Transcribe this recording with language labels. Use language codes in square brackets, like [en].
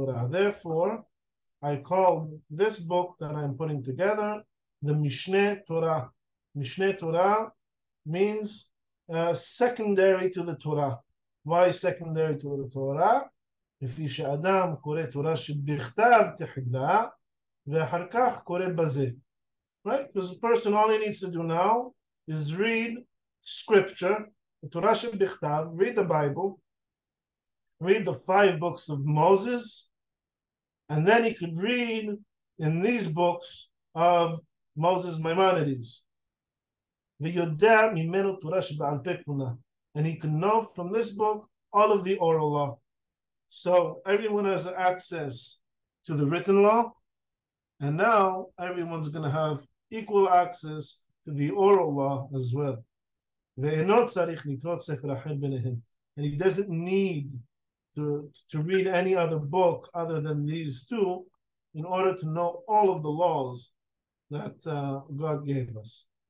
[en] Therefore, I called this book that I'm putting together the Mishneh Torah. Mishneh Torah means secondary to the Torah. Why secondary to the Torah? [he] לפי שאדם קורא תורה שבכתב תחילה, ואחר כך קורא בזה. [en] Right? Because the person all he needs to do now is read scripture, the Torah שבכתב, read the Bible, read the five books of Moses, and then he could read in these books of Moses Maimonides. [he] ויודע ממנו תורה שבעל פה כולה. [en] And he can know from this book all of the oral law. So everyone has access to the written law, and now everyone's going to have equal access to the oral law as well. And he doesn't need to read any other book other than these two in order to know all of the laws that God gave us.